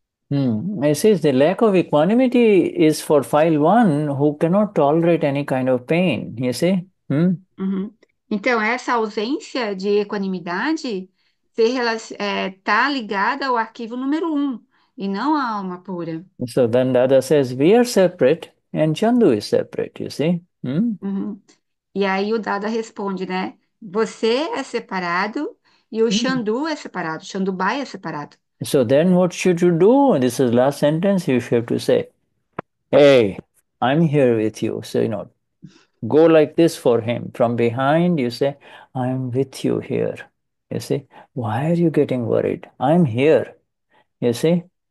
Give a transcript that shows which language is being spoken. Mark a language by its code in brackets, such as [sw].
[en] It says the lack of equanimity is for file one who cannot tolerate any kind of pain, you see? [pt] Então, essa ausência de equanimidade está ligada ao arquivo número 1 e não à alma pura. [en] So then Dada says we are separate and Chandu is separate, you see? [pt] E aí o Dada responde, né? Você é separado e o Chandu é separado, Chandubai é separado. [en] So then what should you do? This is the last sentence. You have to say, hey, I'm here with you. So, you know, go like this for him. From behind, you say, I'm with you here. You see, why are you getting worried? I'm here. You see?